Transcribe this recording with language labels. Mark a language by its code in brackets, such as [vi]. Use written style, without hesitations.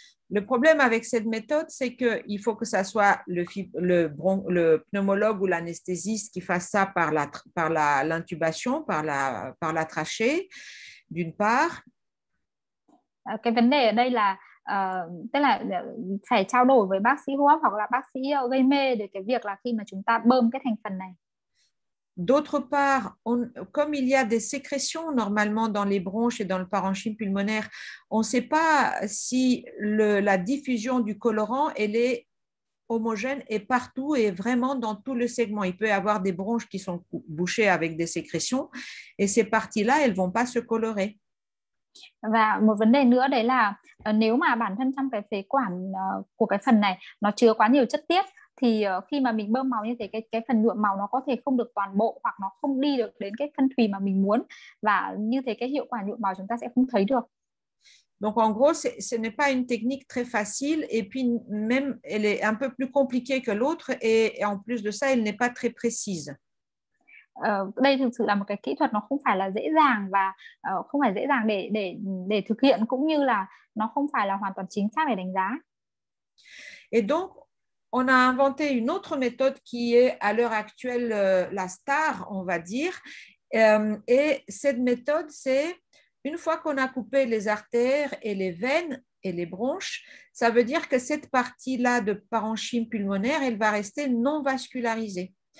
[fr] Le problème avec cette méthode, c'est qu'il faut que ce soit le pneumologue ou l'anesthésiste qui fasse ça par l'intubation, par la trachée, d'une part. [vi] Cái vấn đề ở đây là tức là phải trao đổi với bác sĩ hô hấp hoặc là bác sĩ gây mê để cái việc là khi mà chúng ta bơm cái thành phần này. [fr] D'autre part, comme il y a des sécrétions normalement dans les bronches et dans le parenchyme pulmonaire, on ne sait pas si la diffusion du colorant elle est homogène et partout et vraiment dans tout le segment. Il peut y avoir des bronches qui sont bouchées avec des sécrétions et ces parties-là, elles ne vont pas se colorer. [vi] Và một vấn đề nữa đấy là nếu mà bản thân trong cái phế quản của cái phần này nó chứa quá nhiều chất tiết thì khi mà mình bơm máu như thế cái phần nhuộm màu nó có thể không được toàn bộ hoặc nó không đi được đến cái phân thùy mà mình muốn, và như thế cái hiệu quả nhuộm màu chúng ta sẽ không thấy được. [fr] Donc en gros, ce n'est pas une technique très facile et puis même elle est un peu plus compliquée que l'autre et en plus de ça, elle n'est pas très précise. [vi] Đây thực sự là một cái kỹ thuật nó không phải là dễ dàng và không phải dễ dàng để thực hiện, cũng như là nó không phải là hoàn toàn chính xác để đánh giá. [fr] Et donc, on a inventé une autre méthode qui est à l'heure actuelle la star, on va dire. Et cette méthode, c'est une fois qu'on a coupé les artères et les veines et les bronches, ça veut dire que cette partie-là de parenchyme pulmonaire, elle va rester non vascularisée.